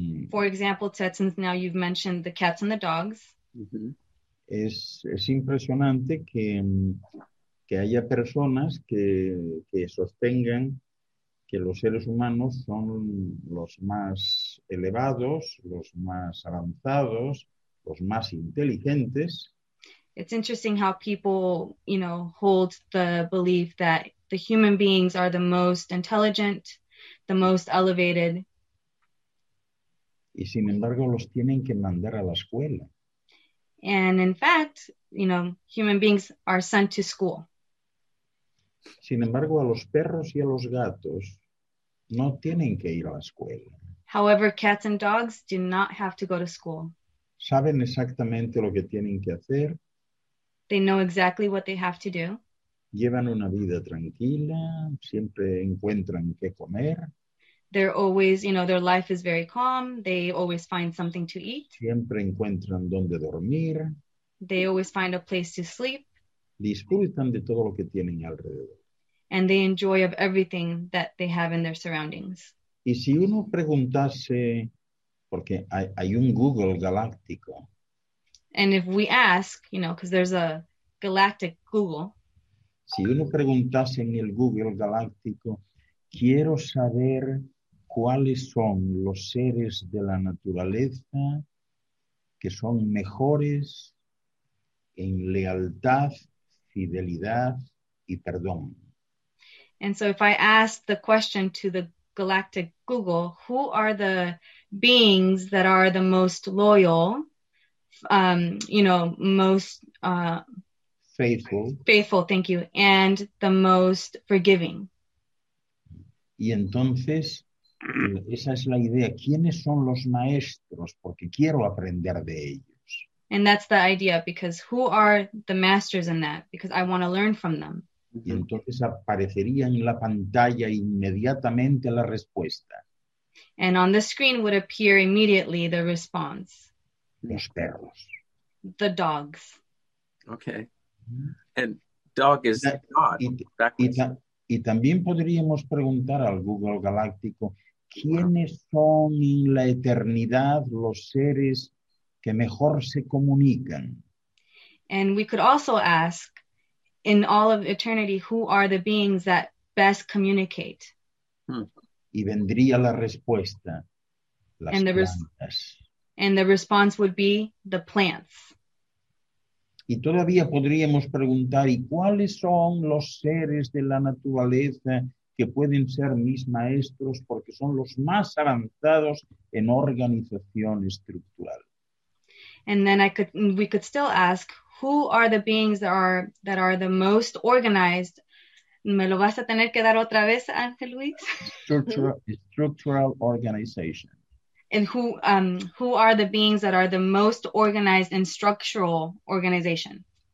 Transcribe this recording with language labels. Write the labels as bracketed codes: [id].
[en] For example, Ted, since now you've mentioned the cats and the dogs. [es] Es impresionante que haya personas que sostengan que los seres humanos son los más elevados, los más avanzados, los más inteligentes. [en] It's interesting how people, you know, hold the belief that the human beings are the most intelligent, the most elevated. [es] Y sin embargo, los tienen que mandar a la escuela. [en] And in fact, you know, human beings are sent to school. [es] Sin embargo, a los perros y a los gatos no tienen que ir a la escuela. [en] However, cats and dogs do not have to go to school. [es] Saben exactamente lo que tienen que hacer. [en] They know exactly what they have to do. [es] Llevan una vida tranquila, siempre encuentran qué comer. [en] They're always, you know, their life is very calm. They always find something to eat. [es] Siempre encuentran dónde dormir. [en] They always find a place to sleep. [es] Disfrutan de todo lo que tienen alrededor. [en] And they enjoy of everything that they have in their surroundings. [es] Y si uno preguntase, porque hay un Google galáctico. [en] And if we ask, you know, because there's a galactic Google. [es] Si uno preguntase en el Google galáctico, quiero saber cuáles son los seres de la naturaleza que son mejores en lealtad, fidelidad y perdón. [en] And so if I ask the question to the galactic Google, who are the beings that are the most loyal, you know, most faithful, thank you, and the most forgiving. [es] Y entonces, esa es la idea. ¿Quiénes son los maestros? Porque quiero aprender de ellos. [en] And that's the idea, because who are the masters in that? Because I want to learn from them. [es] Y entonces aparecería en la pantalla inmediatamente la respuesta. [en] And on the screen would appear immediately the response. [es] Los perros. [en] The dogs. Okay. And dog is God. [es] Y también podríamos preguntar al Google Galáctico, ¿quiénes son en la eternidad los seres que mejor se comunican? [en] And we could also ask, in all of eternity, who are the beings that best communicate? [es] Y vendría la respuesta, las and plantas. [en] And the response would be the plants. [es] Y todavía podríamos preguntar, ¿y cuáles son los seres de la naturaleza que pueden ser mis maestros porque son los más avanzados en organización estructural? [en] And then we could still ask, who are the beings that are the most organized? [es] ¿Me lo vas a tener que dar otra vez, Ángel Luis? [en] Structural organization. And who are the beings that are the most organized in structural organization?